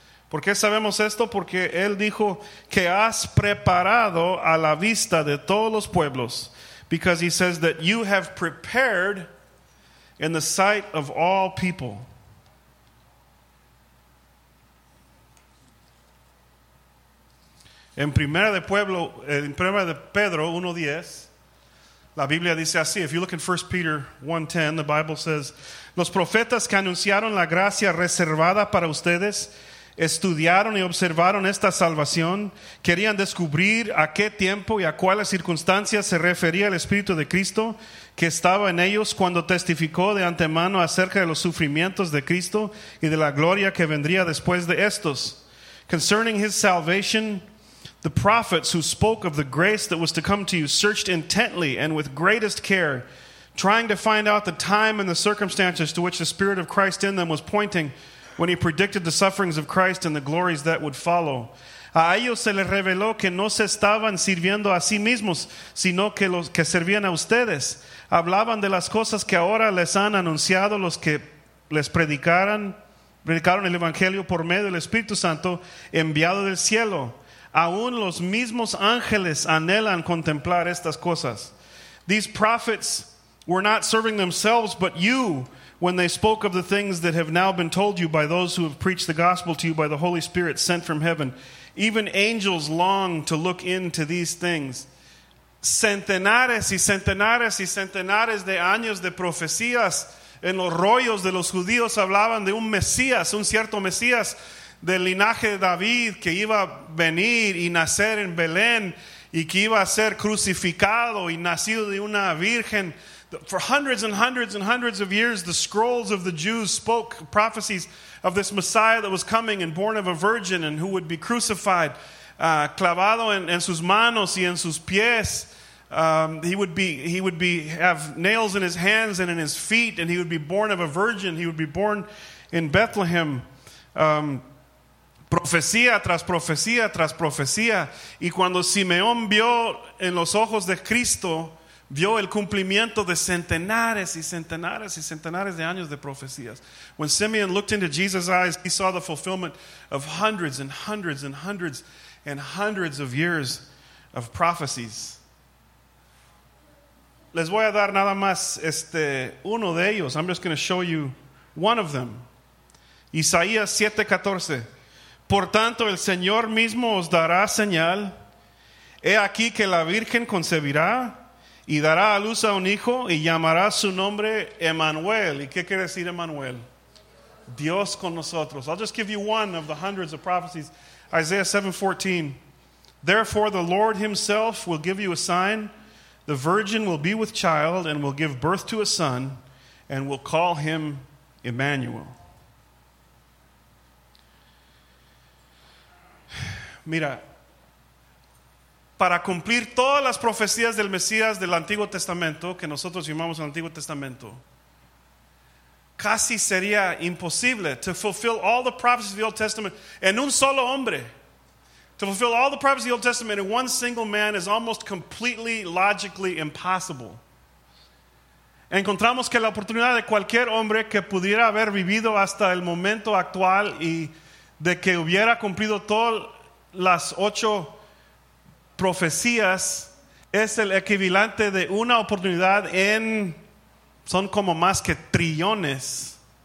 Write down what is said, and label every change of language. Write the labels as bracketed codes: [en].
[es] ¿Por qué sabemos esto? Porque él dijo que has preparado a la vista de todos los pueblos. [en] Because he says that you have prepared in the sight of all people. [es] En primera de pueblo, en primera de Pedro 1:10, la Biblia dice así. [en] If you look in 1 Peter 1:10, the Bible says, [es] los profetas que anunciaron la gracia reservada para ustedes estudiaron y observaron esta salvación, querían descubrir a qué tiempo y a cuáles circunstancias se refería el Espíritu de Cristo que estaba en ellos cuando testificó de antemano acerca de los sufrimientos de Cristo y de la gloria que vendría después de estos. [en] Concerning his salvation, the prophets who spoke of the grace that was to come to you searched intently and with greatest care, trying to find out the time and the circumstances to which the Spirit of Christ in them was pointing when he predicted the sufferings of Christ and the glories that would follow. [es] A ellos se les reveló que no se estaban sirviendo a sí mismos, sino que los que servían a ustedes. Hablaban de las cosas que ahora les han anunciado los que les predicaron el Evangelio por medio del Espíritu Santo enviado del cielo. Aún los mismos ángeles anhelan contemplar estas cosas. [en] These prophets were not serving themselves, but you, when they spoke of the things that have now been told you by those who have preached the gospel to you by the Holy Spirit sent from heaven. Even angels long to look into these things. [es] Centenares y centenares y centenares de años de profecías en los rollos de los judíos hablaban de un Mesías, un cierto Mesías del linaje de David que iba a venir y nacer en Belén y que iba a ser crucificado y nacido de una virgen. [en] For hundreds and hundreds and hundreds of years, the scrolls of the Jews spoke prophecies of this Messiah that was coming and born of a virgin and who would be crucified, [es] clavado en sus manos y en sus pies. [en] He would have nails in his hands and in his feet, and he would be born of a virgin. He would be born in Bethlehem. [es] Profecía tras profecía tras profecía. Y cuando Simeón vio en los ojos de Cristo, vio el cumplimiento de centenares y centenares y centenares de años de profecías. [en] When Simeon looked into Jesus' eyes, he saw the fulfillment of hundreds and hundreds and hundreds and hundreds of years of prophecies. [es] Les voy a dar nada más uno de ellos. [en] I'm just going to show you one of them. [es] Isaías 7:14. Por tanto, el Señor mismo os dará señal. He aquí que la Virgen concebirá y dará a luz a un hijo, y llamará su nombre Emmanuel. ¿Y qué quiere decir Emmanuel? Dios con nosotros. [en] I'll just give you one of the hundreds of prophecies. Isaiah 7:14. Therefore the Lord himself will give you a sign. The virgin will be with child and will give birth to a son and will call him Emmanuel. [es] Mira, para cumplir todas las profecías del Mesías del Antiguo Testamento, que nosotros llamamos el Antiguo Testamento, casi sería imposible [en] to fulfill all the prophecies of the Old Testament [es] en un solo hombre. [en] To fulfill all the prophecies of the Old Testament in one single man is almost completely, logically impossible. [es] Encontramos que la oportunidad de cualquier hombre que pudiera haber vivido hasta el momento actual y de que hubiera cumplido todas las ocho profecías es el equivalente de una oportunidad en, son como más que trillones.